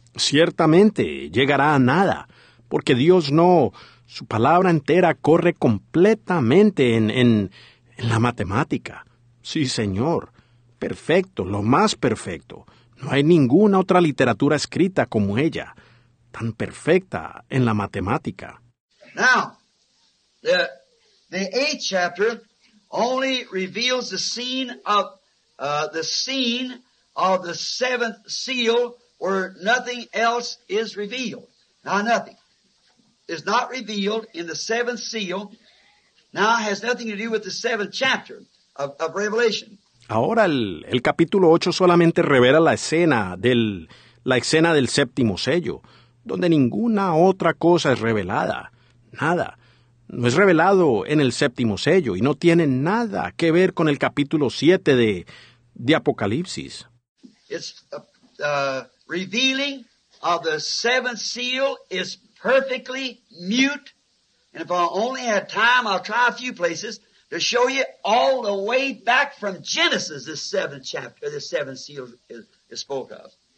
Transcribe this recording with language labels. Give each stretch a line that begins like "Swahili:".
Spanish: Ciertamente llegará a nada, porque Dios no, su palabra entera corre completamente en la matemática. Sí, Señor. perfecto, lo más perfecto. No hay ninguna otra literatura escrita como ella, tan perfecta en la matemática.
English: Now, the eighth chapter only reveals the scene of the seventh seal, where nothing else is revealed. Now, nothing is not revealed in the seventh seal. Now, it has nothing to do with the seventh chapter of Revelation.
Spanish: Ahora el capítulo 8 solamente revela la escena del séptimo sello, donde ninguna otra cosa es revelada. Nada. No es revelado en el séptimo sello y no tiene nada que ver con el capítulo 7 de Apocalipsis.
English: It's revealing of the seventh seal is perfectly mute. And if I only had time, I'll try a few places to show you all the way back from Genesis, the seventh chapter, the seventh seal is spoke of.